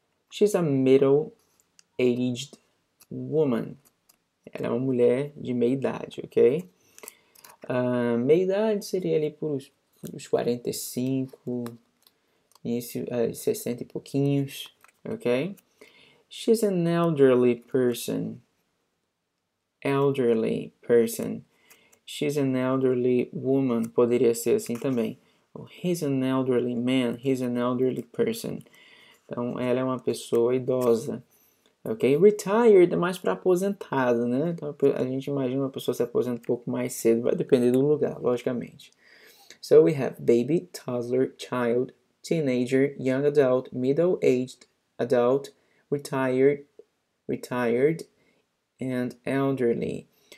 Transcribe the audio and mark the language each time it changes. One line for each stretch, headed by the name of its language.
English: She's a middle-aged woman.
Portuguese: Ela é uma mulher de meia-idade, ok? Meia-idade seria ali por uns 45, início, 60 e pouquinhos, ok?
English: She's an elderly person. Elderly person. She's an elderly woman.
Portuguese: Poderia ser assim também.
English: Oh, he's an elderly man. He's an elderly person.
Portuguese: Então, ela é uma pessoa idosa. Okay, retired é mais para aposentado, né? Então, a gente imagina uma pessoa se aposenta um pouco mais cedo, vai depender do lugar, logicamente.
English: So we have baby, toddler, child, teenager, young adult, middle-aged adult, retired, and elderly.